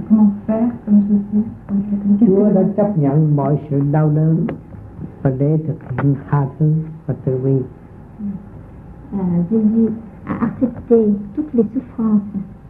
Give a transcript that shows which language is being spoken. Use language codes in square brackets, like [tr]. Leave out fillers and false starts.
[fr] Est-ce qu'il peut expliquer un peu comment faire comme Jésus? [vi] Chúa đã chấp nhận mọi sự đau đớn và để thực hiện tha thứ và từ bi. [fr] Jésus a accepté toutes les souffrances